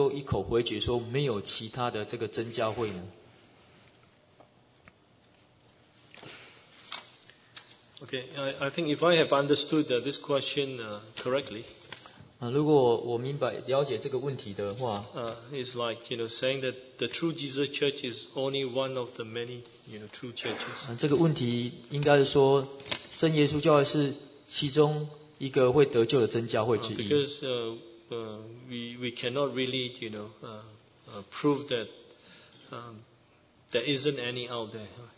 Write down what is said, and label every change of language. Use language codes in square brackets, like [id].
[zh] 那我们不知道有没有其他教会在传这个十大信条，我们不知道，那我们如果不知道的话，那我们是否应该就一口回绝说没有其他的这个真教会呢？ [en] Okay, I think if I have understood this question correctly, [zh] 如果我明白了解这个问题的话, [en] it's like, you know, saying that the true Jesus Church is only one of the many, you know, true churches. [zh] 这个问题应该是说, 真耶稣教会是其中一个会得救的真教会之一。 [en] Because we cannot really, you know, prove that there isn't any out there.